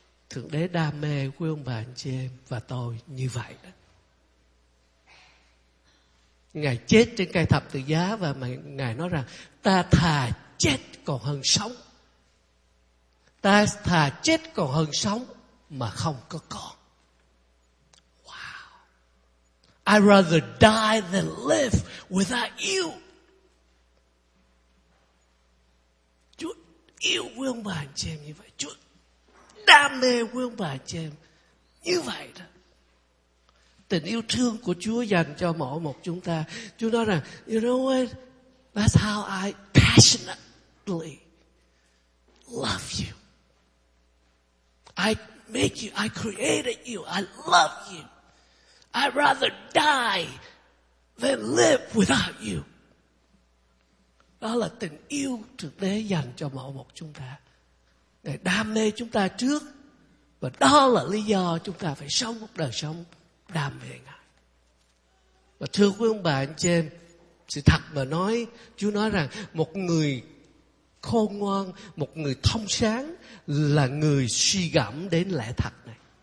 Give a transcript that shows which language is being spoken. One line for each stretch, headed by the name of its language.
Vietnamese: Thượng Đế đam mê quý ông bà anh chị em và tôi như vậy đó. Ngài chết trên cây thập tự giá và mà Ngài nói rằng ta thà chết còn hơn sống. Ta thà chết còn hơn sống mà không có con. Wow.
English: I'd rather die than live without you.
Vietnamese: Chúa yêu quý ông bà anh chị em như vậy. Chúa đam mê quý ông bà anh chị em như vậy đó. Tình yêu thương của Chúa dành cho mỗi một chúng ta. Chúa nói rằng,
English: you know what? That's how I passionately love you. I make you, I created you, I love you. I'd rather die than live without you.
Vietnamese: Đó là tình yêu thực tế dành cho mỗi một chúng ta. Ngài đam mê chúng ta trước, và đó là lý do chúng ta phải sống một đời sống đam mê Ngài. Và thưa quý ông bà anh chị em, sự thật mà nói, Chúa nói rằng một người khôn ngoan, một người thông sáng là người suy gẫm đến lẽ thật này.